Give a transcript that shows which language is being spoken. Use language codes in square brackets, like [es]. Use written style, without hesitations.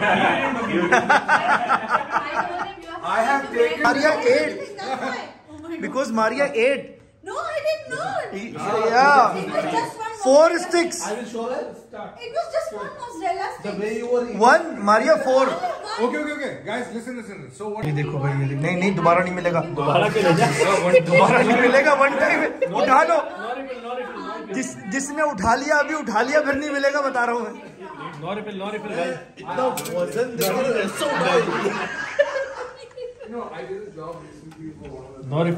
[en] I told him you have to stop. I have taken. Maria ate. Because Maria ate. No, I didn't know. Yeah. Four sticks. I will show them. It was just one mozzarella stick. The way you were eating. One, Maria, four. Okay. Guys, listen. So what? [hi] ये देखो भाई ये देख. नहीं दुबारा नहीं मिलेगा. दुबारा नहीं मिलेगा. [en] One time. [hi] उठा लो. [en] No refill. [hi] जिसने उठा लिया अभी उठा लिया फिर नहीं मिलेगा बता रहा हूँ मैं. [en] No refill, guys. [hi] इतना वजन दे रहे हैं. [en] So bad. No, I did a job recently for one of